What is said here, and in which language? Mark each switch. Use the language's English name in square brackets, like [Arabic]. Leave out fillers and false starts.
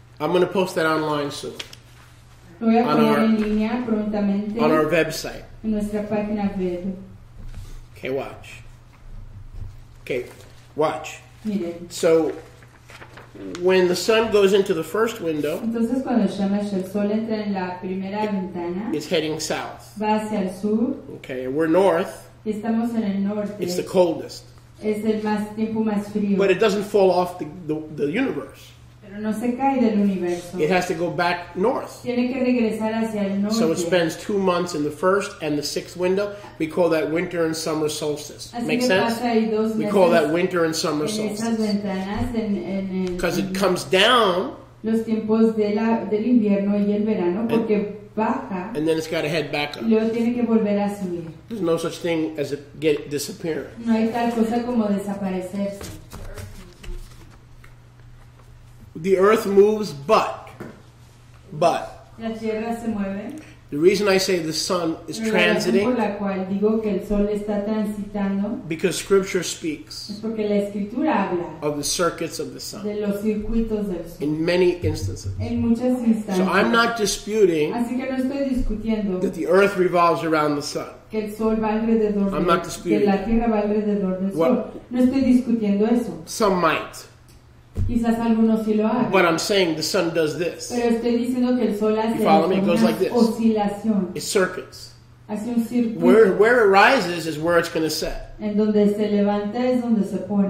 [English] I'm going to post that online soon. [Spanish] Lo voy a poner en línea prontamente. [English] On our website. [Spanish] En nuestra página web. [English] Okay, watch. Okay, watch. [Spanish] Miren. [English] So, when the sun goes into the first window... [Spanish] Entonces, cuando el sol entra en la primera ventana... [English] It's heading south. [Spanish] Va hacia el sur. [English] Okay, and we're north... [Spanish] Estamos en el norte. [English] It's the coldest. [Spanish] Es el más tiempo más frío. [English] But it doesn't fall off the universe. [Spanish] Pero no se cae del universo. [English] It has to go back north. [Spanish] Tiene que regresar hacia el norte. [English] So it spends 2 months in the first and the sixth window. We call that winter and summer solstice. Makes sense? [Spanish] Pasa ahí dos meses [English] we call that winter and summer solstice. [Spanish] En esas ventanas, [English] because it comes down. [Spanish] Los tiempos del invierno y el verano, porque... Baja, [English] and then it's got to head back up. [Spanish] Luego tiene que volver a subir. [English] There's no such thing as a get disappearing. [Spanish] No hay tal cosa como desaparecerse. [English] The earth moves, but. [Spanish] La tierra se mueve. [English] The reason I say the sun is transiting. [Spanish] La cual digo que el sol está transitando. [English] Because scripture speaks. [Spanish] Es porque la escritura habla. [English] Of the circuits of the sun. [Spanish] De los circuitos del sol. [English] In many instances. [Spanish] En muchas instancias. [English] So I'm not disputing. [Spanish] Así que no estoy discutiendo. [English] That the earth revolves around the sun. [Spanish] Que el sol va alrededor [English] I'm not disputing. [Spanish] Que la tierra va alrededor del sol. No estoy discutiendo eso. [English] Some might. [Spanish] Quizás algunos sí lo hagan. [English] But I'm saying the sun does this. [Spanish] Pero estoy diciendo que el sol hace [English] you follow me? It goes like this. [Spanish] Oscilación. [English] It circuits. [Spanish] Hace un circuito. [English] Where it rises is where it's going to set. [Spanish] En donde se levanta es donde se pone.